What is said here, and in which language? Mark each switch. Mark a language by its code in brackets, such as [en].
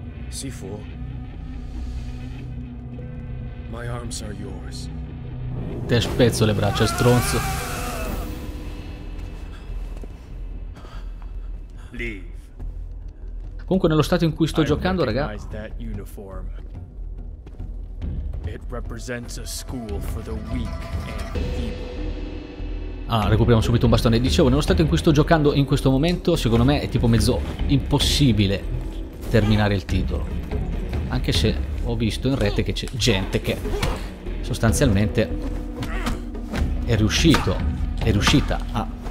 [en] Sifu, my arms are yours. [it] Te spezzo le braccia, stronzo. [en] Leave. [it] Comunque nello stato in cui sto giocando, raga, [en] it represents a school for the weak and evil. [it] Ah, recuperiamo subito un bastone. Dicevo, nello stato in cui sto giocando in questo momento, secondo me è tipo mezzo impossibile terminare il titolo. Anche se ho visto in rete che c'è gente che sostanzialmente è riuscita a